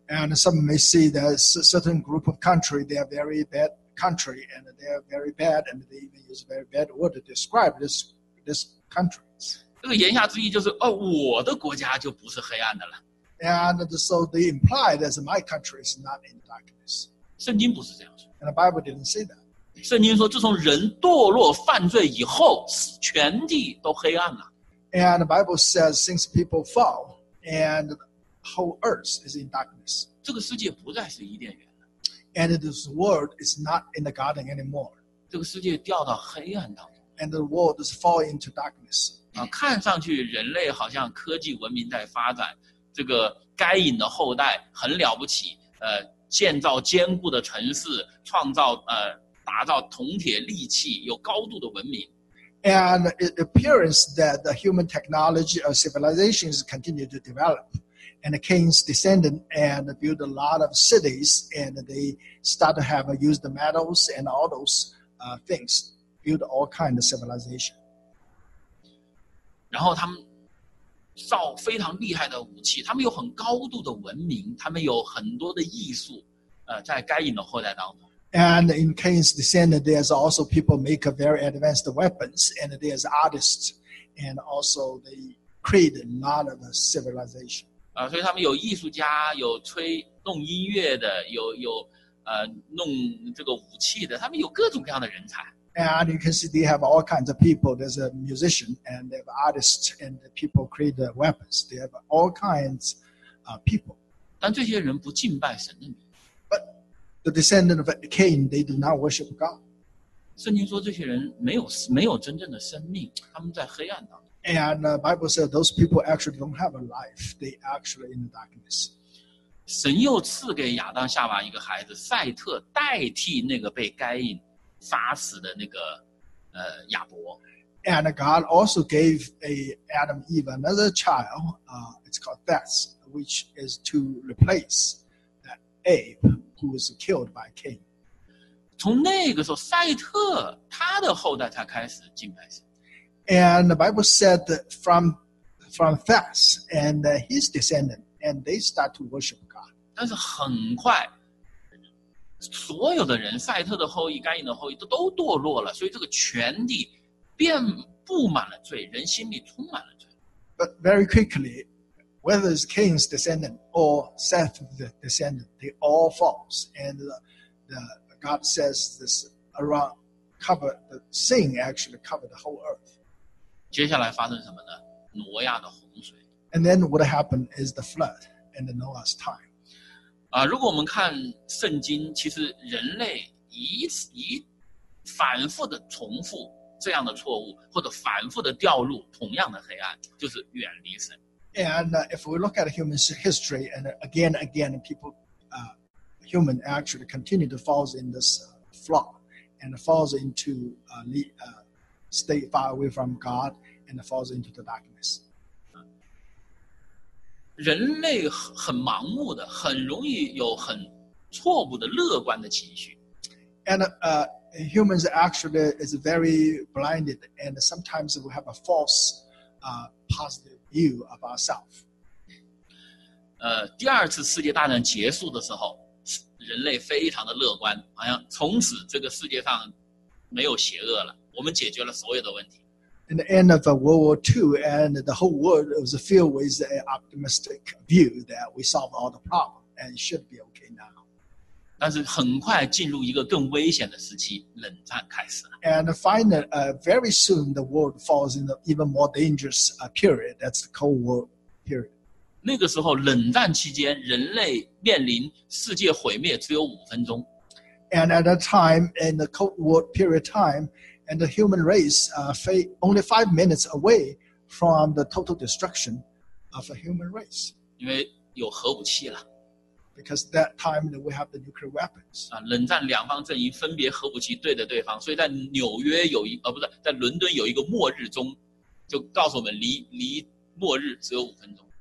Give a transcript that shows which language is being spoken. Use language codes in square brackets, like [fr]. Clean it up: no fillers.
[en] And some may see that certain group of country, they are very bad country, and they are very bad, and they even use very bad word to describe this country. [zh] 这个言下之意就是，我的国家就不是黑暗的了。 [en] And so they imply that my country is not in darkness. [zh] 圣经不是这样说。 [en] And the Bible didn't say that. [zh] 圣经说，自从人堕落犯罪以后，全地都黑暗了。 [en] And the Bible says, since people fall, and the whole earth is in darkness. [zh] 这个世界不再是伊甸园了。 [en] And this world is not in the garden anymore. [zh] 这个世界掉到黑暗当中。 [en] And the world is falling into darkness. [zh] 看上去人类好像科技文明在发展，这个该隐的后代很了不起，建造坚固的城市，创造打造铜铁利器，有高度的文明。 [en] And it appears that the human technology of civilizations continue to develop. And Cain's descendant and build a lot of cities, and they start to have used the metals and all those things, build all kinds of civilization. [zh] 然后他们造非常厉害的武器，他们有很高度的文明，他们有很多的艺术，在该隐的后代当中。 [en] And in Cain's descendant, there's also people make very advanced weapons, and there's artists, and also they create a lot of civilization. [zh] 所以他们有艺术家，有吹弄音乐的，有弄这个武器的，他们有各种各样的人才。 [en] And you can see they have all kinds of people. There's a musician, and they have artists, and people create the weapons. They have all kinds of people. [zh] 但这些人不敬拜神的名。 [en] The descendant of Cain, they do not worship God. [zh] 圣经说这些人没有真正的生命，他们在黑暗当中。 [en] And the Bible says those people actually don't have a life. They actually in the darkness. [zh] 神又赐给亚当夏娃一个孩子赛特，代替那个被该隐杀死的那个亚伯。 [en] And God also gave Adam Eve another child. It's called Seth, which is to replace that Abe. Who was killed by Cain? [zh] 从那个时候，赛特他的后代才开始敬拜神。 [en] And the Bible said that from Seth and his descendant, and they start to worship God. [zh] 但是很快，所有的人，赛特的后裔、该隐的后裔都堕落了，所以这个全地遍布满了罪，人心里充满了罪。 [en] But very quickly. Whether it's Cain's descendant or Seth's descendant, they all fall. And God says this around cover the sin actually covered the whole earth. [zh] 接下来发生什么呢？挪亚的洪水。 [en] And then what happened is the flood in the Noah's time. [zh] 如果我们看圣经，其实人类以反复的重复这样的错误，或者反复的掉入同样的黑暗，就是远离神。 [en] And if we look at human history, and again, people, human actually continue to fall in this flaw, and falls into stay far away from God, and falls into the darkness. [zh] 人类很盲目的，很容易有很错误的乐观的情绪。 [en] And humans actually is very blinded, and sometimes we have a false positive view of ourselves. [zh] 第二次世界大战结束的时候，人类非常的乐观，好像从此这个世界上没有邪恶了，我们解决了所有的问题。 [en] In the end of World War II, and the whole world was filled with an optimistic view that we solved all the problems and should be okay now. [zh] 但是很快进入一个更危险的时期，冷战开始了。 [en] And finally, very soon the world falls into even more dangerous period, that's the Cold War period. [zh] 那个时候冷战期间，人类面临世界毁灭只有五分钟。 [en] And at that time, in the Cold War period time,And the human race only 5 minutes away from the total destruction of a human race. [zh] 因为有核武器了。 [en] Because that time that we have the nuclear weapons. [zh] 冷战两方阵营分别核武器对着对方，所以在纽约有一不是在伦敦有一个末日钟，就告诉我们离末日只有五分钟。